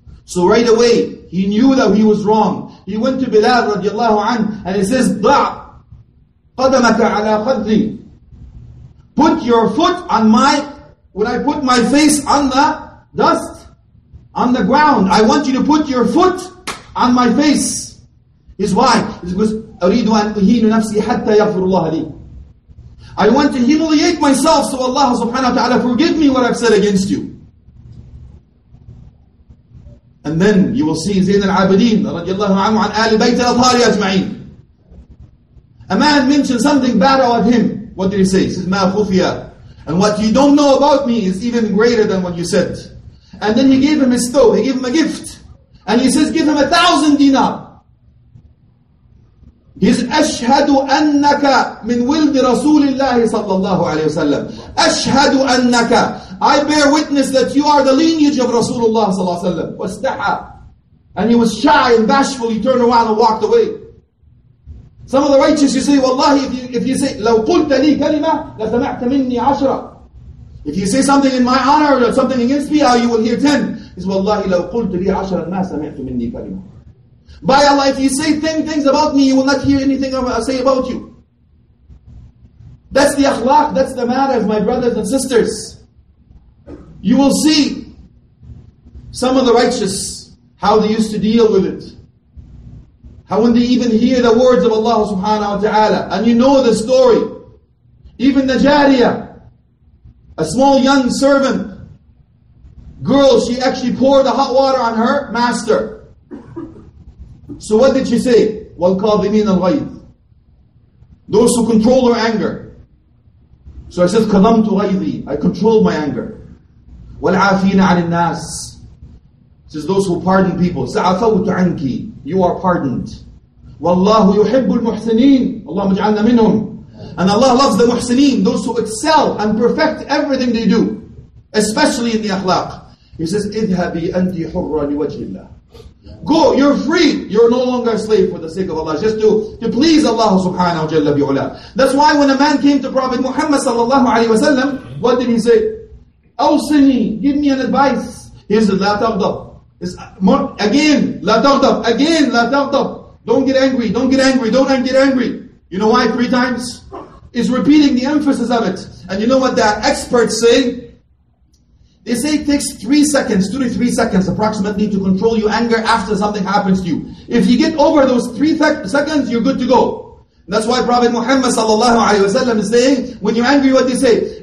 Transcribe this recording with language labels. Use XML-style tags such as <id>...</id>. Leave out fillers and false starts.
<en>So right away, he knew that he was wrong. He went to Bilal radiallahu anhu and he says,</en> <ar>ضع قدمك على خدري.</ar> <en>Put your foot on my, when I put my face on the dust, on the ground, I want you to put your foot on my face. Is why? It's because</en> <ar>أَرِيدُ أَنْ أُهِينُ نَفْسِي حَتَّى يَغْفِرُ اللَّهَ لِي.</ar> <en>I want to humiliate myself so Allah subhanahu wa ta'ala forgive me what I've said against you. And then you will see Zain al-Abidin radiallahu anhu an Ali Bayt al-Athari ajma'in. A man mentioned something bad about him. What did he say? He says,</en> <ar>مَا خُفِيَا.</ar> <en>And what you don't know about me is even greater than what you said. And then he gave him his thawb, he gave him a gift. And he says, give him 1,000 dinar. He says,</en> <ar>أَشْهَدُ أَنَّكَ مِنْ وِلْدِ رَسُولِ اللَّهِ صَلَّى اللَّهُ عَلَيْهِ وَسَلَّمُ. أَشْهَدُ أَنَّكَ,</ar> <en>I bear witness that you are the lineage of Rasulullah</en> <ar>صلى الله عليه وسلم. وَاسْتَحَى.</ar> <en>And he was shy and bashful. He turned around and walked away. Some of the righteous, you say,</en> <ar>وَاللَّهِ,</ar> <en>if you say,</en> <ar>لَوْ قُلْتَ لِي كَلِمَةً لَسَمَعْتَ مِنِّي عَشْرًا.</ar> <en>If you say something in my honor or something against me, you will hear 10. He says,</en> <ar>وَاللَّهِ لَوْ قُلْتَ لِي عَشْرًا مَا سَمِعْتُ مِنِّي كَلِمَةً.</ar> <en>By Allah, if you say 10 things about me, you will not hear anything I say about you. That's the akhlaq, that's the manners, my brothers and sisters. You will see some of the righteous, how they used to deal with it. How when they even hear the words of Allah subhanahu wa ta'ala, and you know the story. Even the Jariyah, a small young servant, girl, she actually poured the hot water on her master. So what did she say?</en> <ar>والكاظمين الغيظ.</ar> <en>Those who control their anger. So I said,</en> <ar>كظمت غيظي.</ar> <en>I control my anger.</en> <ar>والعافين عن الناس.</ar> <en>Says those who pardon people.</en> <ar>سعفوت عنك.</ar> <en>You are pardoned.</en> <ar>والله يحب المحسنين. اللهم اجعلنا منهم.</ar> <en>And Allah loves the muhsineen, those who excel and perfect everything they do, especially in the akhlaq. He says,</en> <ar>اِذْهَبِي أَنْتِ حُرَّ لِوَجْهِ اللَّهِ.</ar> <en>Go, you're free. You're no longer a slave for the sake of Allah, just to please Allah subhanahu wa jalla bi'ula. That's why when a man came to Prophet Muhammad sallallahu alayhi wa sallam, what did he say?</en> <ar>أَوْسِنِي,</ar> <en>give me an advice. He said,</en> <ar>لَا تَغْضَبْ.</ar> <en>Again,</en> <ar>لَا تَغْضَبْ. Again, لَا تَغْضَبْ.</ar> <en>Don't get angry, don't get angry, don't get angry. You know why? Three times? It's repeating the emphasis of it. And you know what the experts say? They say it takes 3 seconds, 2 to 3 seconds approximately to control your anger after something happens to you. If you get over those 3 seconds, you're good to go. That's why Prophet Muhammad sallallahu alayhi wa sallam is saying, when you're angry, what do you say?</en>